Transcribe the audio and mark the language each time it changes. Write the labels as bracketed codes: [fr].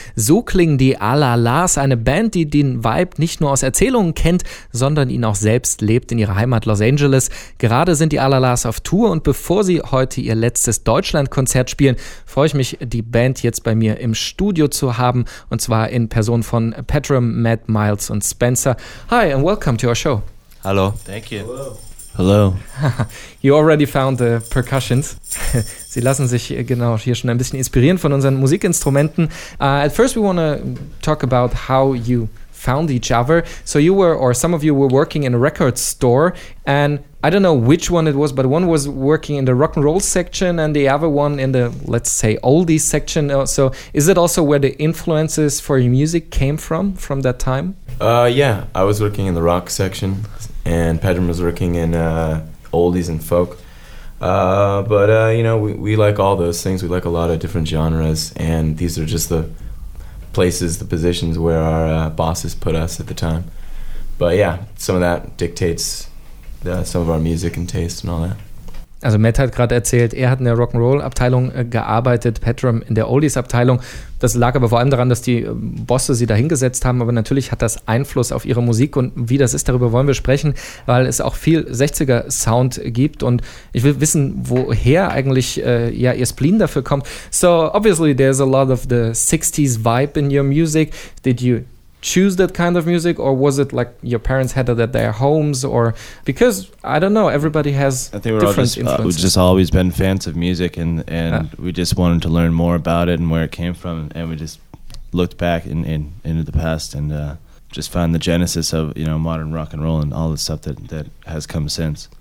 [de] So klingen die A La La's, eine Band, die den Vibe nicht nur aus Erzählungen kennt, sondern ihn auch selbst lebt in ihrer Heimat Los Angeles. Gerade sind die A La La's auf Tour und bevor sie heute ihr letztes Deutschlandkonzert spielen, freue ich mich, die Band jetzt bei mir im Studio zu haben, und zwar in Person von Petram, Matt, Miles und Spencer. [en] Hi and welcome to our show. [de] Hallo. [en] Thank you. Hello. You already found the percussions. [de] Sie lassen sich genau hier schon ein bisschen inspirieren von unseren Musikinstrumenten. [en] At first we want to talk about how you found each other. So you were, or some of you were working in a record store, and I don't know which one it was, but one was working in the rock and roll section and the other one in the, let's say, oldies section. So is it also where the influences for your music came from that time? Yeah, I was working in the rock section. And Pedram was working in oldies and folk. But we like all those things. We like a lot of different genres. And these are just the places, the positions where our bosses put us at the time. But yeah, some of that dictates some of our music and taste and all that. [de] Also Matt hat gerade erzählt, er hat in der Rock'n'Roll-Abteilung gearbeitet, Petram in der Oldies-Abteilung. Das lag aber vor allem daran, dass die Bosse sie da hingesetzt haben, aber natürlich hat das Einfluss auf ihre Musik, und wie das ist, darüber wollen wir sprechen, weil es auch viel 60er-Sound gibt, und ich will wissen, woher eigentlich ihr Spleen dafür kommt. [en] So, obviously there's a lot of the 60s vibe in your music. Did you choose that kind of music, or was it like your parents had it at their homes, or because I don't know, everybody has different influences. We've just always been fans of music, and we just wanted to learn more about it and where it came from, and we just looked back into the past and just found the genesis of, you know, modern rock and roll and all the stuff that has come since.